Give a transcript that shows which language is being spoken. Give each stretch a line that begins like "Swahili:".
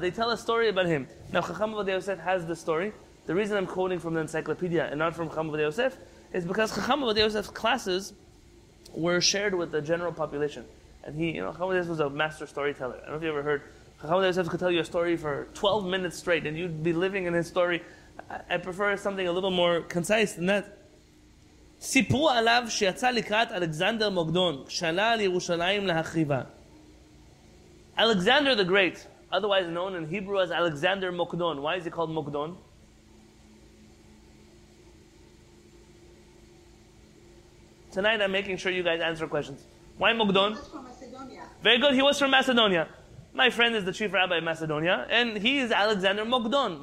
English: They tell a story about him. Now, Chacham Avodah Yosef has the story. The reason I'm quoting from the encyclopedia and not from Chacham Avodah Yosef is because Chacham Avodah Yosef's classes were shared with the general population. And he, you know, Chacham Avodah Yosef was a master storyteller. I don't know if you ever heard. Chacham Avodah Yosef could tell you a story for 12 minutes straight and you'd be living in his story. I prefer something a little more concise than that.
Hebrew: סיפרו עליו שיצא לקראת אלכסנדר מוקדון, שעלה על ירושלים להחריבה.
English: Alexander the Great, otherwise known in Hebrew as Alexander Mokdon. Why is he called Mokdon? Tonight I'm making sure you guys answer questions. Why Mokdon? He was from Macedonia. Very good, he was from Macedonia. My friend is the chief rabbi of Macedonia, and he is Alexander Mokdon.